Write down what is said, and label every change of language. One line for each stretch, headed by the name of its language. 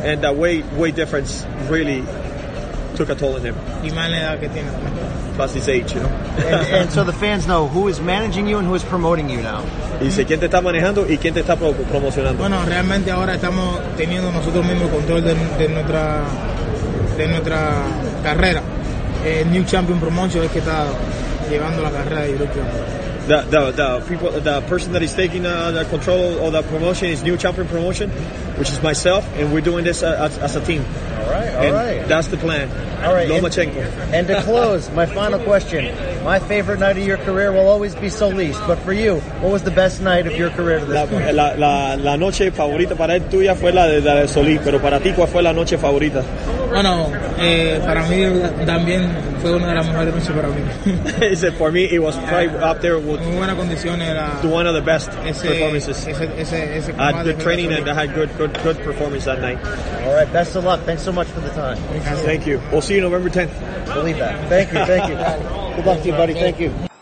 English: And the weight difference really took a toll on him.
Spanish: Y más la edad que tiene.
English: Plus his age, you know. And so the fans know who is managing you and who is promoting you now.
Spanish: Dice, ¿quién te está manejando y quién te está promocionando? Bueno, realmente ahora estamos teniendo nosotros mismos control de nuestra carrera. New Champion Promotion es que está llevando la carrera de Europa.
English: The person that is taking the control of the promotion is New Champion Promotion, which is myself, and we're doing this as a team. All right. That's the plan. All right, Lomachenko. And to close, my final question. My favorite night of your career will always be Solis, but for you, what was the best night of your career to this point?
Spanish: La noche favorita para él tuya fue la de Solis, pero para ti, ¿cuál fue la noche favorita? Bueno, para mí también fue una de las mejores noches para mí.
English: He said, for me, it was probably up there with
Spanish: muy buena condición era
English: one of the best performances.
Spanish: Ese
English: I had good training and I had good performance that night. All right, best of luck. Thanks so much for the time. Thank you. We'll see you November 10th. Believe that. Thank you. Good luck to you, buddy. Thank you.